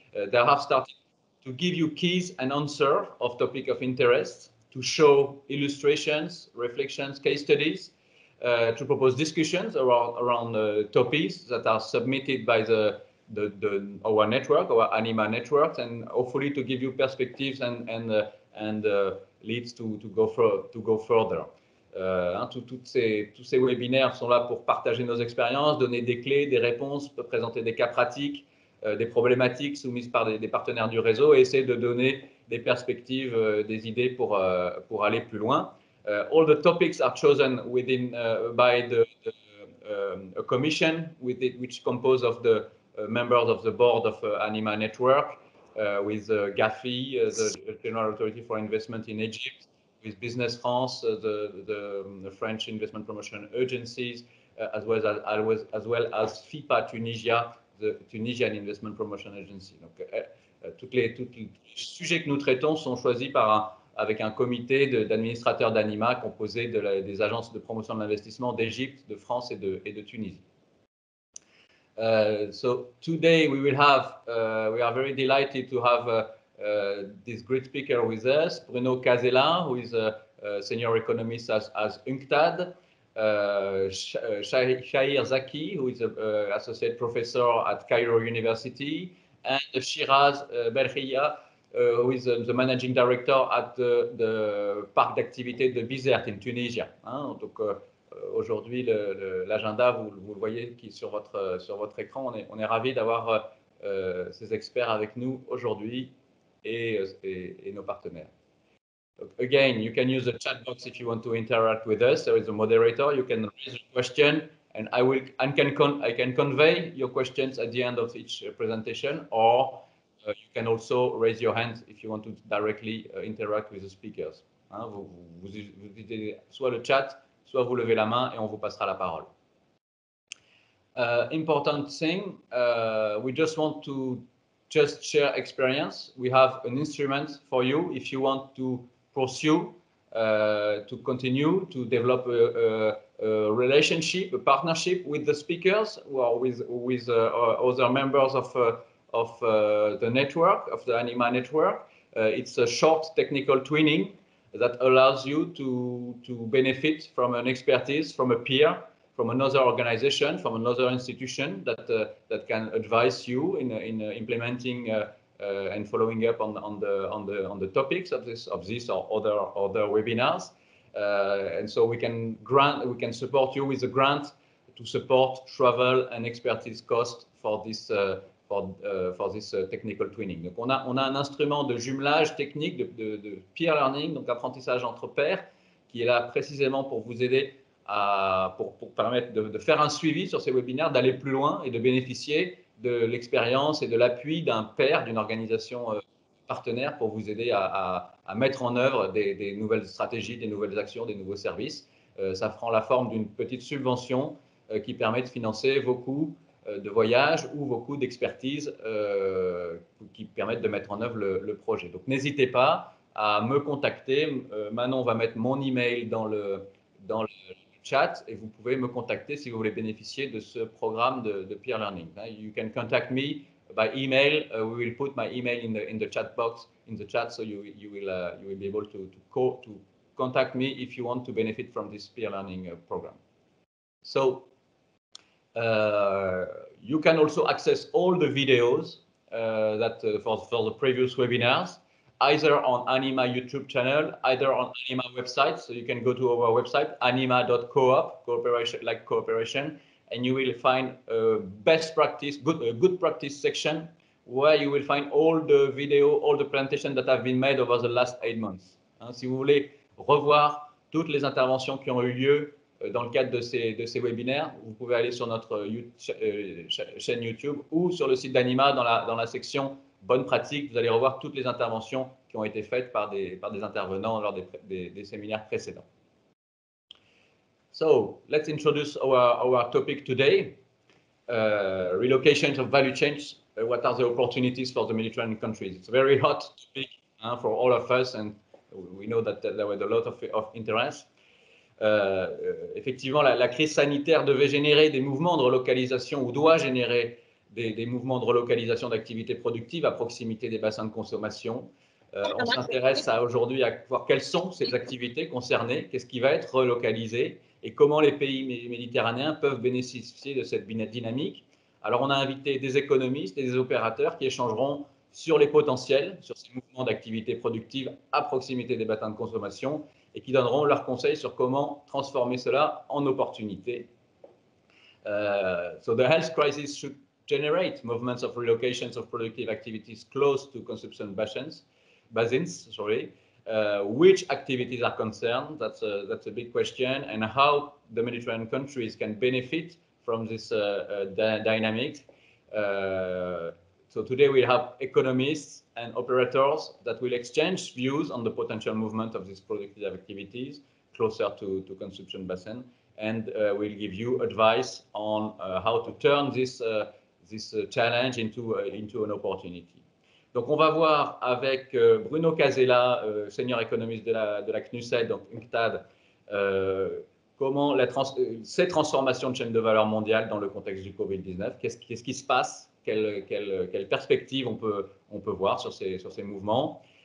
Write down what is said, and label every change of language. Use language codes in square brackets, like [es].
[en] They have started to give you keys and answer of topic of interest, to show illustrations, reflections, case studies, to propose discussions around topics that are submitted by the our network, our Anima networks, and hopefully to give you perspectives and leads to go further. [fr] Tous ces webinaires sont là pour partager nos expériences, donner des clés, des réponses, présenter des cas pratiques, des problématiques soumises par des partenaires du réseau et essayer de donner des perspectives, des idées pour aller plus loin. [en] All the topics are chosen within by the commission which compose of the members of the board of Anima Network with GAFI, the General Authority for Investment in Egypt, with Business France, the French Investment Promotion Agencies, as well as FIPA Tunisia, the Tunisian Investment Promotion Agency. [fr] Donc, tous les sujets que nous traitons sont choisis avec un comité d'administrateurs d'Anima composé des agences de promotion de l'investissement d'Égypte, de France et de Tunisie. [en] So today we are very delighted to have this great speaker with us, Bruno Casella, who is a senior economist as UNCTAD, Shahir Zaki, who is an associate professor at Cairo University, and Shiraz Belkhia, who is the managing director at the Parc d'activité de Bizerte in Tunisia. [fr] Aujourd'hui, l'agenda, vous le voyez qui est sur votre écran. On est ravis d'avoir ces experts avec nous aujourd'hui. Et nos partenaires. [en] Again, you can use the chat box if you want to interact with us. There is a moderator. You can raise a question, and I can convey your questions at the end of each presentation. Or you can also raise your hand if you want to directly interact with the speakers. [fr] Vous utilisez soit le chat, soit vous levez la main, et on vous passera la parole. [en] important thing. We just want to just share experience. We have an instrument for you if you want to pursue, to continue to develop a relationship, a partnership with the speakers or with other members of the network, of the Anima network. It's a short technical twinning that allows you to benefit from an expertise, from a peer, from another organization, from another institution that that can advise you in implementing and following up on the topics of this or other webinars. And so we can support you with a grant to support travel and expertise cost for this technical twinning. [fr] Donc on a un instrument de jumelage technique de peer learning, donc apprentissage entre pairs, qui est là précisément pour vous aider à pour permettre de faire un suivi sur ces webinaires, d'aller plus loin et de bénéficier de l'expérience et de l'appui d'un pair, d'une organisation partenaire pour vous aider à mettre en œuvre des nouvelles stratégies, des nouvelles actions, des nouveaux services. Ça prend la forme d'une petite subvention qui permet de financer vos coûts de voyage ou vos coûts d'expertise qui permettent de mettre en œuvre le projet. Donc n'hésitez pas à me contacter. Manon va mettre mon email dans le chat et vous pouvez me contacter si vous voulez bénéficier de ce programme de peer learning. [en] You can contact me by email. We will put my email in the chat box in the chat, so you will be able to contact me if you want to benefit from this peer learning program. So you can also access all the videos for the previous webinars, either on Anima YouTube channel, either on Anima website. So you can go to our website, anima.coop, cooperation, like cooperation, and you will find a best practice, good practice section, where you will find all the video, all the presentation that have been made over the last 8 months. [fr] Si vous voulez revoir toutes les interventions qui ont eu lieu dans le cadre de ces webinaires, vous pouvez aller sur notre chaîne YouTube ou sur le site d'Anima dans la section bonne pratique. Vous allez revoir toutes les interventions qui ont été faites par des intervenants lors des séminaires précédents. [en] So let's introduce our topic today: relocations of value chains. What are the opportunities for the Mediterranean countries? It's a very hot topic for all of us, and we know that there was a lot of interest. [fr] Effectivement, la crise sanitaire devait générer des mouvements de relocalisation ou doit générer des mouvements de relocalisation d'activités productives à proximité des bassins de consommation. On s'intéresse aujourd'hui à voir quelles sont ces activités concernées, qu'est-ce qui va être relocalisé et comment les pays méditerranéens peuvent bénéficier de cette dynamique. Alors, on a invité des économistes et des opérateurs qui échangeront sur les potentiels, sur ces mouvements d'activités productives à proximité des bassins de consommation, et qui donneront leurs conseils sur comment transformer cela en opportunité. [en] So the health crisis should generate movements of relocations of productive activities close to consumption basins, which activities are concerned? That's a big question. And how the Mediterranean countries can benefit from this dynamic. So today we have economists and operators that will exchange views on the potential movement of these productive activities closer to consumption basin, and will give you advice on how to turn this challenge into an opportunity. [fr] Donc on va voir avec Bruno Casella, [en] senior economist [fr] de la CNUSED, donc UNCTAD, comment ces transformations de chaîne de valeur mondiale dans le contexte du COVID-19, qu'est-ce qui se passe? Quelle perspective on peut voir sur ces mouvements.